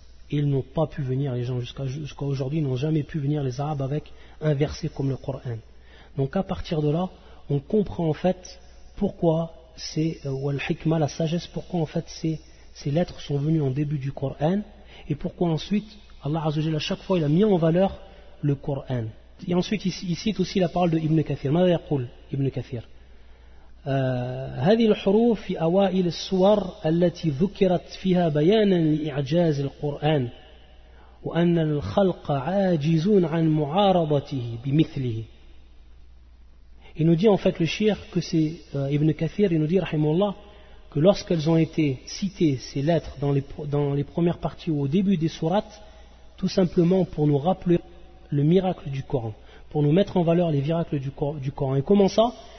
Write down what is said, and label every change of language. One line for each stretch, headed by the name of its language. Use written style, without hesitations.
French: Et ils n'ont pas pu venir, les gens jusqu'à aujourd'hui n'ont jamais pu venir les Arabes avec un verset comme le Coran. Donc à partir de là, on comprend en fait pourquoi c'est al-hikmah, la sagesse, pourquoi en fait ces lettres sont venues en début du Coran et pourquoi ensuite Allah Azza wa Jalla à chaque fois il a mis en valeur le Coran. Et ensuite il cite aussi la parole de Ibn Kathir.
Arabic: ماذا يقول Ibn Kathir هذه الحروف في أوائل الصور التي ذكرت فيها بيانا لإعجاز القرآن وأن الخلق عاجزون عن معارضته بمثله.
French: Il nous dit en fait le shir que c'est Ibn Kathir, il nous dit rahimahullah, que lorsqu'elles ont été citées ces lettres dans les premières parties ou au début des sourates, tout simplement pour nous rappeler le miracle du Coran, pour nous mettre en valeur les miracles du Coran. Et comment ça?